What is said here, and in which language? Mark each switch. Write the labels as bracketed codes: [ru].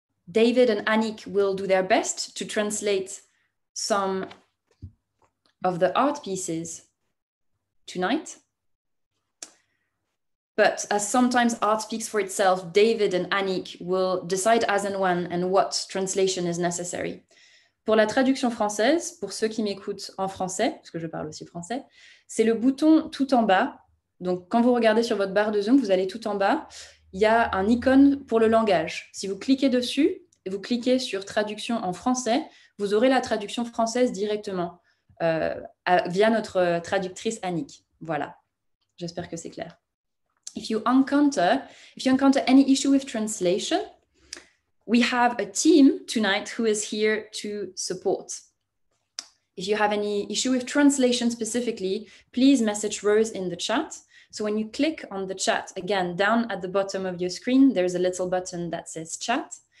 [en] David and Annick will do their best to translate some of the art pieces tonight. But as sometimes art speaks for itself, David and Annick will decide as and when and what translation is necessary. [fr] Pour la traduction française, pour ceux qui m'écoutent en français, parce que je parle aussi français, c'est le bouton tout en bas. Donc quand vous regardez sur votre barre de Zoom, vous allez tout en bas, il y a un icône pour le langage. Si vous cliquez dessus, et vous cliquez sur traduction en français, vous aurez la traduction française directement via notre traductrice Annick. Voilà, j'espère que c'est clair. [en] If you encounter any issue with translation, we have a team tonight who is here to support. If you have any issue with translation specifically, please message Rose in the chat. So when you click on the chat, again, down at the bottom of your screen, there's a little button that says chat.